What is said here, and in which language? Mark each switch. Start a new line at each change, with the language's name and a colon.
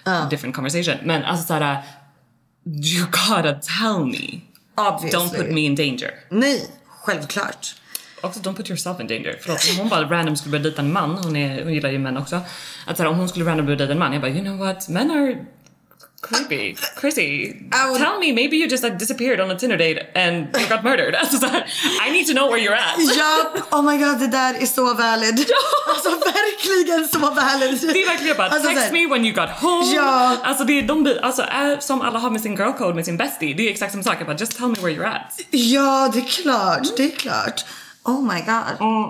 English: Different conversation.
Swedish: Men alltså såhär,
English: you gotta tell me. Obviously. Don't put me in danger.
Swedish: Nej, självklart.
English: Också don't put yourself in danger.
Swedish: Förlåt, om hon bara random skulle börja dejta en man, hon gillar ju män också, att så här, om hon skulle random börja dejta en man, jag bara,
English: you know what, men are creepy. Chrissy, tell me, maybe you just like disappeared on a Tinder date and you got murdered.
Swedish: Alltså, så här,
English: I need to know where you're at.
Swedish: Ja, oh my god, det där är så valid. Ja. Alltså verkligen så valid. Det är verkligen bara, alltså,
English: text me when you got home.
Swedish: Ja. Alltså det är de, alltså, som alla har med sin girl code, med sin bestie. Det är exakt samma sak, jag bara,
English: just tell me where you're at.
Swedish: Ja, det är klart, det är klart. Oh my god.